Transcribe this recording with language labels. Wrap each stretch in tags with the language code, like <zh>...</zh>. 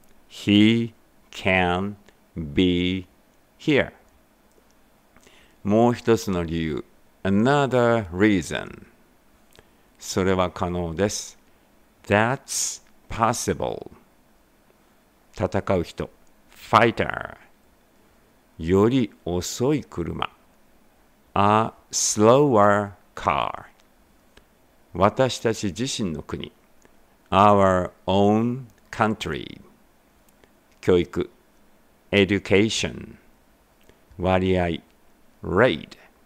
<en>He can be here.</en> <ja>もう一つの理由。</ja> <en>Another reason.</en> <ja>それは可能です。</ja> <en>That's possible.</en> <ja>戦う人、fighter。より遅い車、</ja> <en>a slower car。</en> <ja>私たち自身の国、</ja> <en>our own country。</en> <ja>教育、education。割合、rate。</ja>